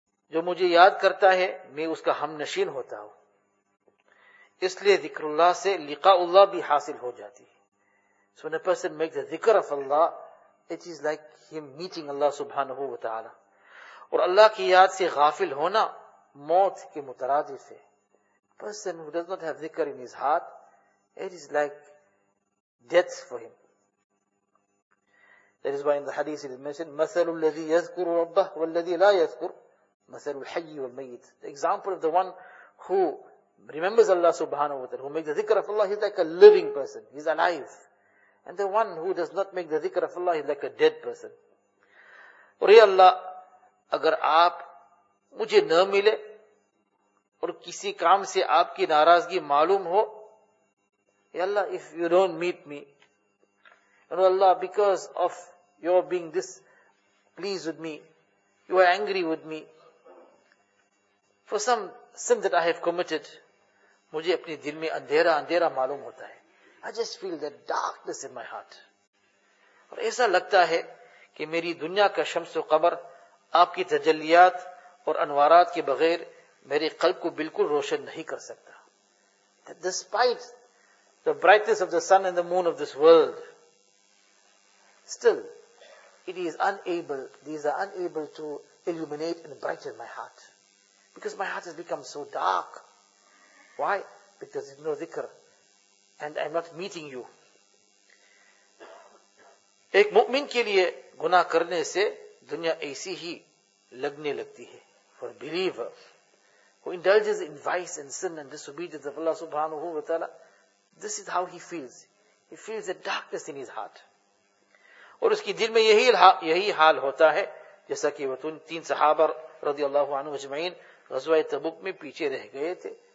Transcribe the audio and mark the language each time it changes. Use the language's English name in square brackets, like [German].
[Urdu] جو مجھے یاد کرتا ہے میں اس کا ہم نشین ہوتا ہوں. اس لیے ذکر اللہ سے لقاء اللہ بھی حاصل ہو جاتی. [English] So when a person makes the ذکر of اللہ it is like him meeting Allah سبحانہ و تعالی. [Urdu] اور اللہ کی یاد سے غافل ہونا موت کے مترادف ہے. [English] Person who does not have ذکر in his heart, it is like death for him. That is why in the hadith it is mentioned [Arabic] مثل الذي يذكر ربه والذي لا يذكر مثل الحي والميت. [English] The example of the one who remembers Allah subhanahu wa ta'ala, who makes the ذکر of Allah, he is like a living person, he is alive. And the one who does not make the ذکر of Allah, he is like a dead person. [Urdu] اور اے اللہ اگر آپ مجھے نہ ملے اور کسی کام سے آپ کی ناراضگی معلوم ہو، [English] اے اللہ if you don't meet me, and Allah because of your being this pleased with me, you are angry with me for some sin that I have committed, [Urdu] مجھے اپنے دل میں اندھیرا اندھیرا معلوم ہوتا ہے. [English] I just feel that darkness in my heart. [Urdu] اور ایسا لگتا ہے کہ میری دنیا کا شمس و قمر آپ کی تجلیات اور انوارات کے بغیر میرے قلب کو بالکل روشن نہیں کر سکتا. [English] That despite the brightness of the sun and the moon of this world, still it is unable, these are unable to illuminate and brighten my heart. Because my heart has become so dark. Why? Because there's no ذکر and I'm not meeting you. [Urdu] ایک مؤمن کے لیے گناہ کرنے سے دنیا ایسی ہی لگنے لگتی ہے. [English] For a believer who indulges in vice and sin and disobedience of Allah subhanahu wa ta'ala, this is how he feels. He feels a darkness in his heart. [Urdu] اور اس کی دل میں یہی حال ہوتا ہے جیسا کہ وہ تین صحابہ رضی اللہ عنہ اجمعین غزوہ تبوک میں پیچھے رہ گئے تھے.